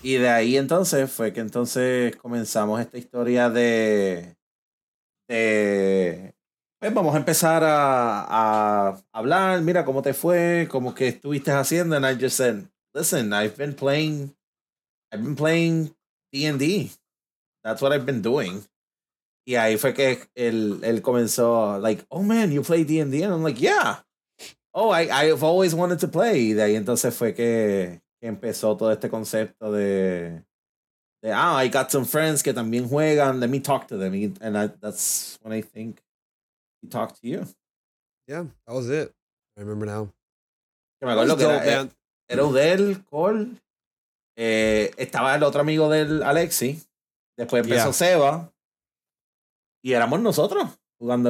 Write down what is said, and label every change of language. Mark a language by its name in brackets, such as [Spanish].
[Spanish] Y de ahí entonces fue que entonces comenzamos esta historia de pues vamos a empezar a hablar. Mira cómo te fue, cómo que estuviste haciendo. [English] And I just said, listen, I've been playing D&D. That's what I've been doing. [Spanish] Y ahí fue que él comenzó, [English] like, oh man, you play D&D? And I'm like, yeah. Oh, I've always wanted to play. [Spanish] Y de ahí entonces fue que empezó todo este concepto de [English] I got some friends [Spanish] que también juegan. [English] Let me talk to them. And that's when I think he talked to you. Yeah, that was it. I remember now. [Spanish] Que me acuerdo que era Odell, Cole. Estaba el otro amigo del Alexi. Después empezó Seba. Y éramos nosotros jugando.